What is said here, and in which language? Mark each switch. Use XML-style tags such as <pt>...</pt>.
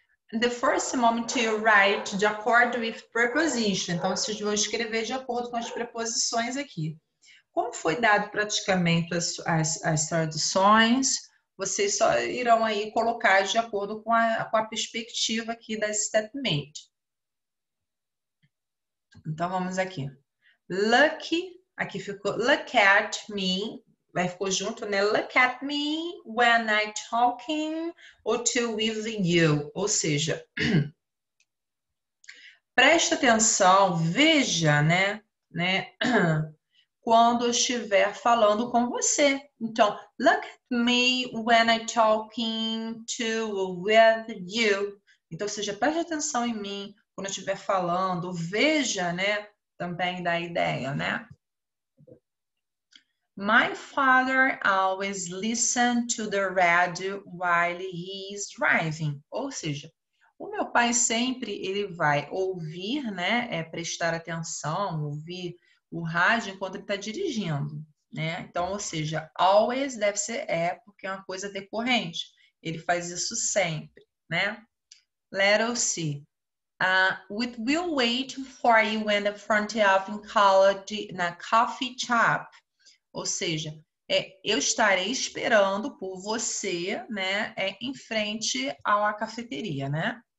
<en>The first moment you write,</en> <pt>de acordo</pt> <en>with preposition.</en> <pt>Então, vocês vão escrever de acordo com as preposições aqui. Como foi dado praticamente as traduções, vocês só irão aí colocar de acordo com a perspectiva aqui da statement. Então, vamos aqui. Look, aqui ficou,</pt> <en>look at me.</en> <pt>Vai ficou junto, né?</pt> <en>Look at me when I'm talking or to with you.</en> <pt>Ou seja, presta atenção, veja, né? Né? Quando eu estiver falando com você.</pt> <en>Então, look at me when I'm talking to or with you.</en> <pt>Então, ou seja, preste atenção em mim quando eu estiver falando. Veja, né? Também dá ideia, né?</pt> <en>My father always listens to the radio while he is driving.</en> <pt>Ou seja, o meu pai sempre ele vai ouvir, né? Prestar atenção, ouvir o rádio enquanto ele está dirigindo, né? Então, ou seja, always deve ser porque é uma coisa decorrente. Ele faz isso sempre, né?</pt> <en>Let us see. We will wait for you in the front of in college, na coffee shop.</en> <pt>Ou seja, eu estarei esperando por você, né, em frente à cafeteria, né?</pt>